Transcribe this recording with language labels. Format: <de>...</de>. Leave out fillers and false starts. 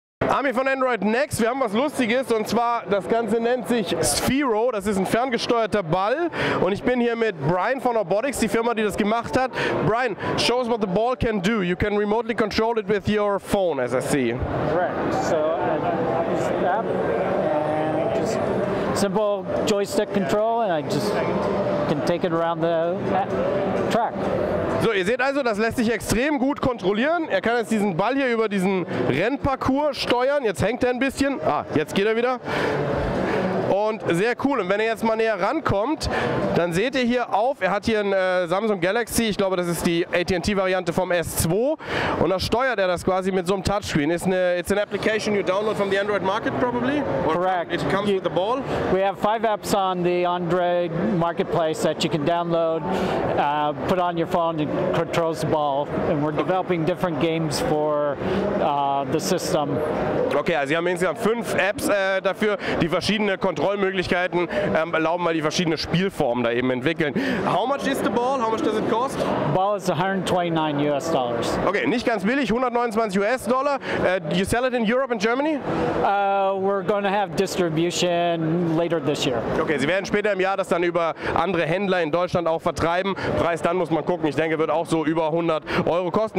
<de>Ami von Android Next, wir haben was Lustiges und zwar, das Ganze nennt sich Sphero, das ist ein ferngesteuerter Ball und ich bin hier mit Brian von Orbotix, die Firma, die das gemacht hat.</de> <en>Brian, show us what the ball can do. You can remotely control it with your phone, as I see. Right, so I just tap and just simple joystick control and I just can take it around the track.</en> <de>So, ihr seht also, das lässt sich extrem gut kontrollieren. Er kann jetzt diesen Ball hier über diesen Rennparcours steuern. Jetzt hängt er ein bisschen. Ah, jetzt geht er wieder. Und sehr cool. Und wenn er jetzt mal näher rankommt, dann seht ihr hier auf, er hat hier ein Samsung Galaxy. Ich glaube, das ist die AT&T-Variante vom S2. Und da steuert er das quasi mit so einem Touchscreen.</de> <en>It's an application you download from the Android market, probably? Or correct. It comes with the ball? We have 5 apps on the Android marketplace that you can download, put on your phone, and controls the ball. And we're developing different games for the system.</en> <de>Okay, also Sie haben insgesamt 5 Apps dafür, die verschiedene Kontrollmöglichkeiten erlauben, weil die verschiedene Spielformen da eben entwickeln.</de> <en>How much is the ball? How much does it cost? Ball is 129 US dollars.</en> <de>Okay, nicht ganz billig, 129 US Dollar.</de> <en>You sell it in Europe and Germany? We're going to have distribution later this year.</en> <de>Okay, Sie werden später im Jahr das dann über andere Händler in Deutschland auch vertreiben. Preis dann muss man gucken. Ich denke, wird auch so über 100 Euro kosten.</de>